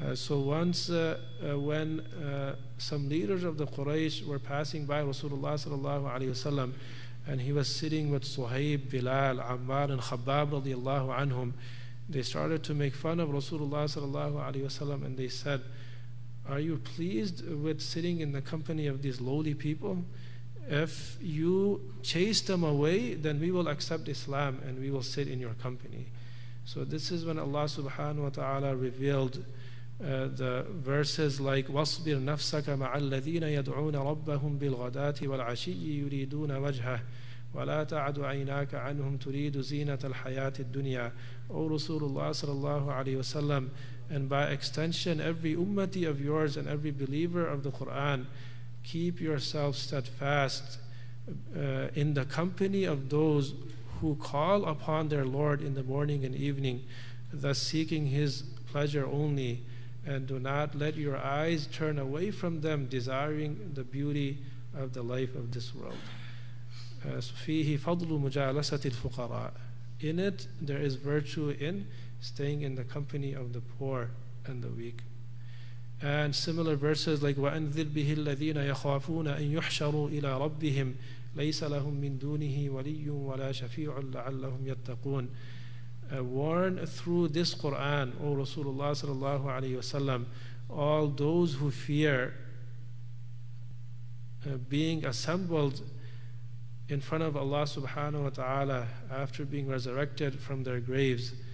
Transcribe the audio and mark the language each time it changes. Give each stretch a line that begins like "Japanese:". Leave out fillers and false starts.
English: So once, when some leaders of the Quraysh were passing by Rasulullah sallallahu alayhi wasallam, and he was sitting with Suhaib, Bilal, Ammar, and Khabbab radiallahu anhum, they started to make fun of Rasulullah sallallahu alayhi wasallam, and they said, are you pleased with sitting in the company of these lowly people? If you chase them away, then we will accept Islam and we will sit in your company. So this is when Allah subhanahu wa ta'ala revealed the verses like,
Arabic: وَصْبِرْ نَفْسَكَ مَعَ الَّذِينَ يَدْعُونَ رَبَّهُمْ بِالْغَدَاتِ وَالْعَشِيِّ يُرِيدُونَ وَجْهَهُ وَلَا تَعَدُ عَيْنَاكَ عَنْهُمْ تُرِيدُ زِينَةَ الْحَيَاةِ الدُّنْيَا.
English: O Rasulullah sallallahu alayhi wa sallam, and by extension every ummati of yours and every believer of the Quran, keep yourself steadfast in the company of those who call upon their Lord in the morning and evening, thus seeking His pleasure only, and do not let your eyes turn away from them, desiring the beauty of the life of this world.
Arabic: فِيهِ فَضْلُ مُجَالَسَةِ الْفُقَرَاءِ.
English: In it, there is virtue in staying in the company of the poor and the weak. And similar verses like,
Arabic: وَأَنذِرْ بِهِ الَّذِينَ يَخَافُونَ أَن يُحْشَرُوا إِلَىٰ رَبِّهِمْ لَيْسَ لَهُم مِّن دُونِهِ وَلِيٌّ وَلَا شَفِيعٌ لَعَلَّهُمْ يَتَّقُونَ.
English: Warn through this Qur'an, O Rasulullah sallallahu alayhi wa sallam, all those who fear being assembled in front of Allah subhanahu wa ta'ala after being resurrected from their graves,